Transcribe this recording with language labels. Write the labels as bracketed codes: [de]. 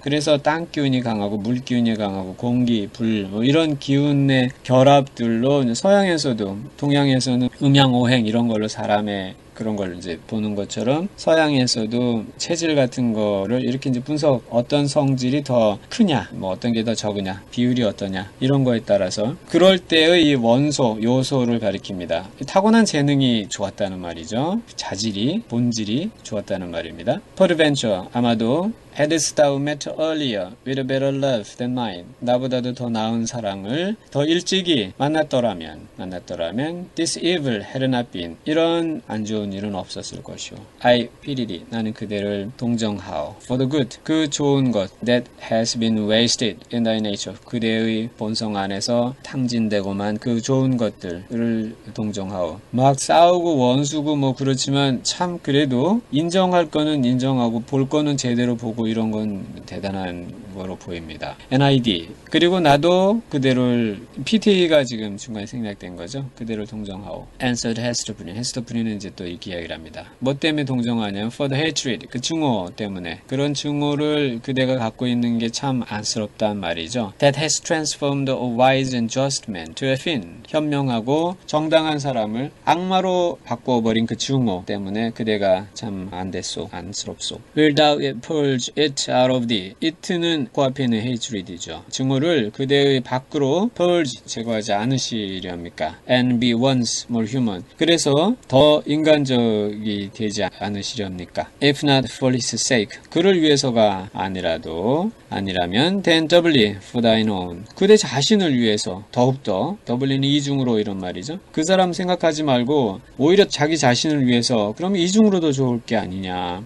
[ko] 그래서 땅 기운이 강하고, 물 기운이 강하고, 공기, 불, 뭐 이런 기운의 결합들로 서양에서도, 동양에서는 음양오행 이런 걸로 사람의 그런 걸 이제 보는 것처럼 서양에서도 체질 같은 거를 이렇게 이제 분석 어떤 성질이 더 크냐, 뭐 어떤 게더 적으냐, 비율이 어떠냐, 이런 거에 따라서 그럴 때의 이 원소, 요소를 가리킵니다. 타고난 재능이 좋았다는 말이죠. 자질이, 본질이 좋았다는 말입니다. [en] Peradventure, [ko] 아마도 [en] Hadst thou met earlier with a better love than mine, [ko] 나보다도 더 나은 사랑을 더 일찍이 만났더라면, [en] this evil had not been, [ko] 이런 안 좋은 일은 없었을 것이오. [en] I pity thee, [ko] 나는 그대를 동정하오. [en] For the good, [ko] 그 좋은 것, [en] that has been wasted in thy nature, [ko] 그대의 본성 안에서 탕진되고만 그 좋은 것들을 동정하오. 막 싸우고 원수고 뭐 그렇지만 참 그래도 인정할 거는 인정하고 볼 거는 제대로 보고 이런 건 대단한 거로 보입니다. NID. 그리고 나도 그대로를 PTE가 지금 중간에 생략된 거죠. 그대로 동정하오. [en] Answered Hester Prynne. [ko] Hester Prynne는 이제 또 이렇게 이야기를 합니다. 뭐 때문에 동정하냐면 [en] for the hatred. [ko] 그 증오 때문에. 그런 증오를 그대가 갖고 있는 게참 안쓰럽단 말이죠. [en] That has transformed a wise and just man to a fiend. [ko] 현명하고 정당한 사람을 악마로 바꿔버린 그 증오 때문에 그대가 참 안됐소. 안쓰럽소. [en] Will thou purge it out of thee. [ko] It는 코앞에 있는 hatred이죠. 증오를 그대의 밖으로 purge, 제거하지 않으시렵니까? [en] And be once more human. [ko] 그래서 더 인간적이 되지 않으시렵니까? [en] If not for his sake. [ko] 그를 위해서가 아니라도, 아니라면, [en] then doubly for thine own. [ko] 그대 자신을 위해서 더욱더, doubly는 이중으로 이런 말이죠. 그 사람 생각하지 말고, 오히려 자기 자신을 위해서, 그럼 이중으로도 좋을 게 아니냐.